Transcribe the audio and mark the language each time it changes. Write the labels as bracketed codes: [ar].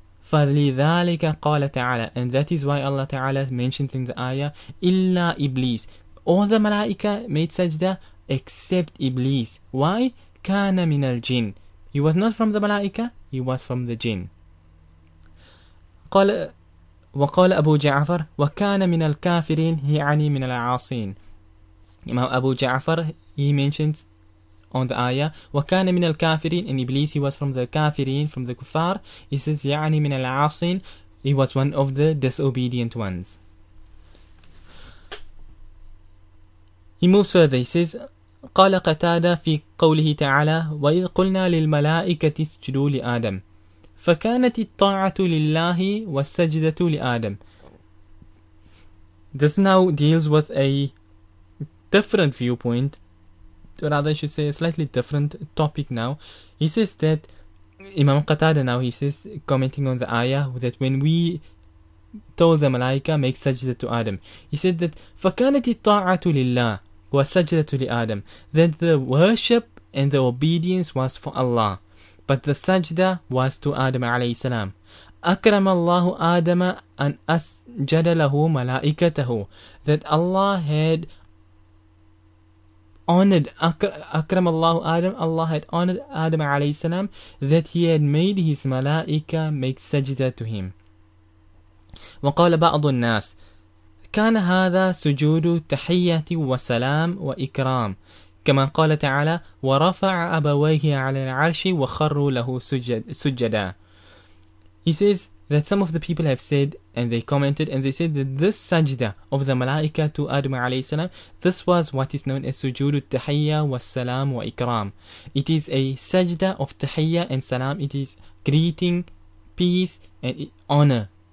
[ar] فَلِذَلِكَ قَالَ تَعَالَى [en] And that is why Allah Ta'ala mentioned in the ayah, إِلَّا Iblis. All the Malaika made sajda, except Iblis. Why? [ar] كان من الجن. [en] He was not from the Malaika, he was from the jinn. [ar] قال وقال أبو جعفر وكان من الكافرين يعني من العاصين. [en] Imam Abu Ja'far, he mentions on the ayah [ar] وكان من الكافرين [en] and Iblis, he was from the kafirin, from the kufar. He says [ar] يعني من العاصين, [en] he was one of the disobedient ones. He moves further, he says [ar] قال قتادة في قوله تعالى وإذ قلنا للملائكة اسجدوا لآدم فكانت الطاعة لله والسجدة لآدم. [en] This now deals with a different viewpoint, or rather I should say a slightly different topic now. He says that Imam Qatada now, he says, commenting on the ayah, that when we told the malaika make sajda to Adam, he said that [ar] فكانت الطاعة لله وسجدة لآدم, [en] that the worship and the obedience was for Allah, but the sajda was to Adam alayhi salam. [ar] أكرم الله آدم أن أسجد له ملائكته, [en] that Allah had honored, [ar] أكرم الله آدم, [en] Allah had honored Adam alayhi salam, that he had made his malaika make sajda to him. [ar] وقال بعض الناس كان هذا سجود تحية وسلام وإكرام كما قال تعالى ورفع أبويه على العرش وخروا له سجدا. [en] He says that some of the people have said, and they commented, and they said that this sajda of the malaika to Adam alayhi salam, this was what is known as sujood al-tahiyya wa salam wa ikram. It is a sajda of tahiyya and salam. It is greeting, peace and honor.